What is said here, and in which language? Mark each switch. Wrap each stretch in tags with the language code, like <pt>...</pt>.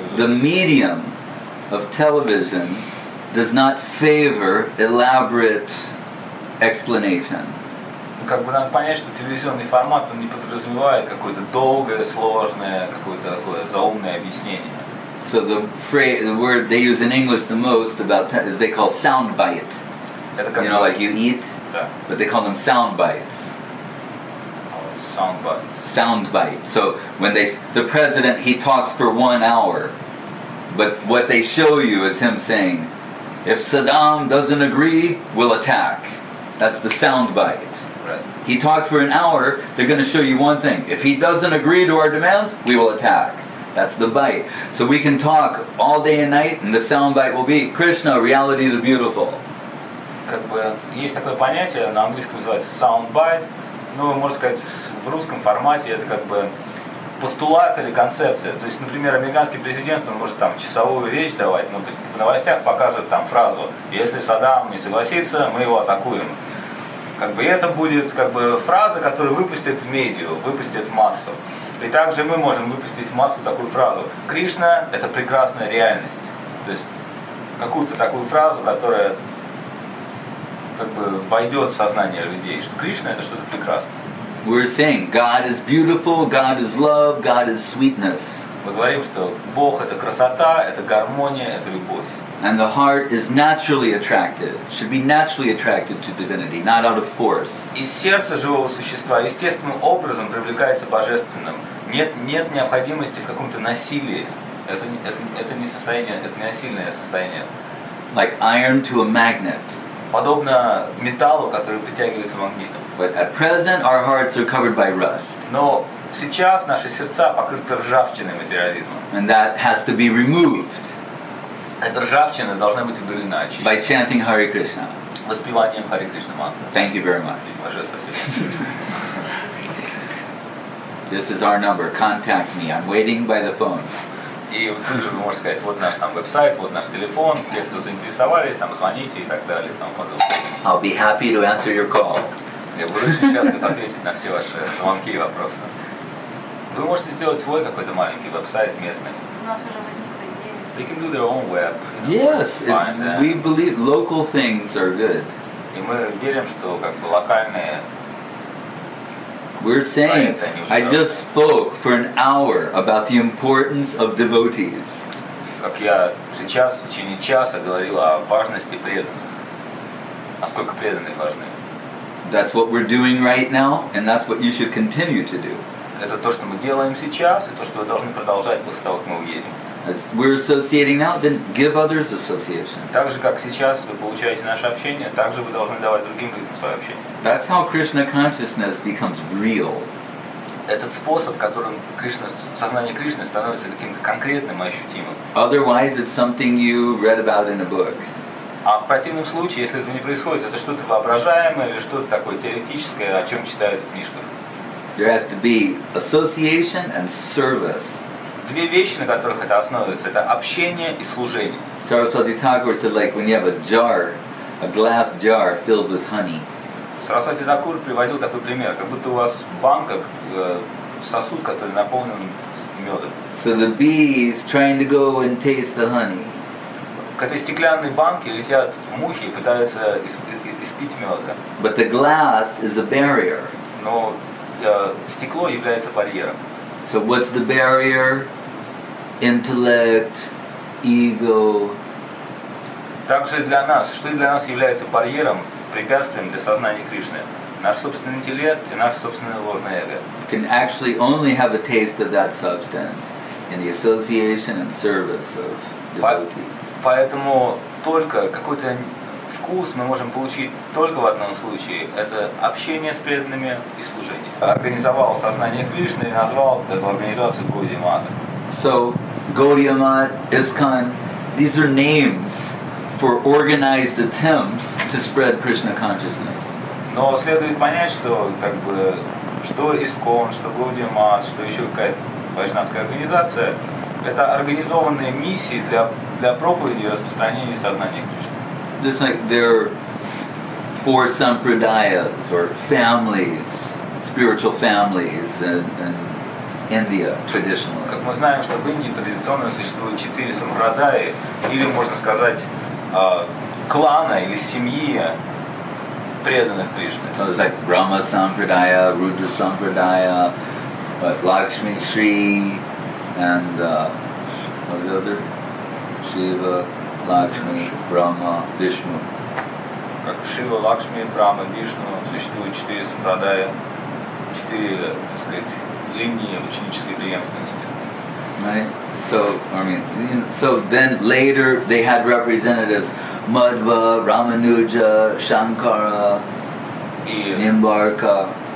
<en>The medium of television does not favor elaborate explanation.</en> <ru>Как бы нам понять, что телевизионный формат он не подразумевает какое-то долгое, сложное, какое-то такое заумное объяснение.</ru> <en>So the phrase, the word they use in English the most about is they call sound bite.</en> <ru>Это как</ru> <en>you know, like you eat. Yeah. But they call them sound bites. Oh, sound bites. Sound bite. So when the president, he talks for 1 hour. But what they show you is him saying, if Saddam doesn't agree, we'll attack. That's the sound bite. Right. He talks for an hour, they're going to show you one thing. If he doesn't agree to our demands, we will attack. That's the bite. So we can talk all day and night, and the sound bite will be, Krishna, reality is beautiful.</en> <ru>Как бы есть такое понятие, на английском называется soundbite, ну, можно сказать, в русском формате это как бы постулат или концепция. То есть, например, американский президент, он может там часовую речь давать, ну, то есть в новостях показывают там фразу, если Саддам не согласится, мы его атакуем. Как бы это будет как бы фраза, которую выпустят в медиа, выпустят в массу. И также мы можем выпустить в массу такую фразу, Кришна – это прекрасная реальность. То есть какую-то такую фразу, которая... как бы войдет в сознание людей, что Кришна это что-то прекрасное.</ru> <en>We're saying God is beautiful, God is love, God is sweetness.</en> <ru>Мы говорим, что Бог это красота, это гармония, это любовь.</ru> <en>And the heart is naturally attracted, should be naturally attracted to divinity, not out of force.</en> <ru>И сердце живого существа естественным образом привлекается божественным. Нет необходимости в каком-то насилии. Это не состояние, это не насильное состояние.</ru> <en>Like iron to a magnet.</en> <ru>Подобно металлу, который притягивается магнитом.</ru> <en>But at present our hearts are covered by rust.</en> <ru>Но сейчас наши сердца покрыты ржавчиной материализма.</ru> <en>And that has to be removed.</en> <ru>Эта ржавчина должна быть удалена, очищена.</ru> <en>By chanting Hare Krishna.</en> <ru>Воспеванием Hare Krishna мантры.</ru> <en>Thank you very much.</en> <ru>Большое спасибо.</ru> <en>This is our number. Contact me. I'm waiting by the phone.</en> <ru>И тут же вы можете сказать, вот наш там веб-сайт, вот наш телефон, те, кто заинтересовались, там звоните и так далее, там подумайте.</ru> <en>I'll be happy to answer your call.</en> <ru>Я буду очень счастлив ответить на все ваши звонки и вопросы. Вы можете сделать свой какой-то маленький веб-сайт местный. У нас уже возникла идея.</ru> <en>They can do their own web. Yes, we believe local things are good.</en> <ru>И мы верим, что как бы локальные...</ru> <en>We're saying, I just spoke for an hour about the importance of devotees.</en> <ru>Как я сейчас, в течение часа, говорил о важности преданных. Насколько преданные важны.</ru> <en>That's what we're doing right now, and that's what you should continue to do.</en> <ru>Это то, что мы делаем сейчас, и то, что вы должны продолжать после того, как мы уедем.</ru> <en>As we're associating now, then give others association.</en> <ru>Так же, как сейчас вы получаете наше общение, так же вы должны давать другим людям свое общение.</ru> <en>That's how Krishna consciousness becomes real.</en> <ru>Этот способ, которым Кришна, сознание Кришны становится каким-то конкретным и ощутимым.</ru> <en>Otherwise, it's something you read about in a book.</en> <ru>А в противном случае, если это не происходит, это что-то воображаемое или что-то такое теоретическое, о чем читают в книжках.</ru> <en>There has to be association and service.</en> <ru>Две вещи, на которых это основывается, это общение и служение.</ru> <en>Saraswati Thakur said, like when you have a jar, a glass jar filled with honey.</en> <ru>Saraswati Thakur приводил такой пример, как будто у вас банка, сосуд, который наполнен медом.</ru> <en>So the bees trying to go and taste the honey.</en> <ru>К этой стеклянной банке летят мухи и пытаются испить меда.</ru> <en>But the glass is a barrier.</en> <ru>Но стекло является барьером.</ru> <en>So what's the barrier? Intellect, ego.</en> <ru>Также для нас, что для нас является барьером, препятствием для сознания Кришны, наш собственный интеллект и наше собственное ложное эго.</ru> <en>You can actually only have a taste of that substance in the association and service of devotees.</en> <ru>Поэтому только какой-то вкус мы можем получить только в одном случае – это общение с преданными и служение. Организовал сознание Кришны и назвал эту организацию Гаудия Мат.</ru> <en>So, Gaudiya Mat, ISKCON, these are names for organized attempts to spread Krishna consciousness.</en> <ru>Но следует понять, что как бы что ISKCON, что Gaudiya Mat, что еще какая-то вайшнавская организация – это организованные миссии для проповеди и распространения сознания Кришны.</ru> <en>Just like there are four sampradayas or families, spiritual families in India traditionally.</en> <ru>Как мы знаем, что в Индии традиционно существуют четыре сампрадаи, или можно сказать клана или семьи преданных Кришны.</ru> <en>So it's like Brahma sampradaya, Rudra sampradaya, Lakshmi Shri, and what are the other?</en> <ru>Shiva. Лакшми, Брама, Вишну. Как Шива, Лакшми, Брама, Вишну, существует четыре сампрадая, четыре, так сказать, линии ученической преемственности.</ru> <en>Right. So then later they had representatives Madhva, Рамануджа, Шанкара, Нимбарка.</en>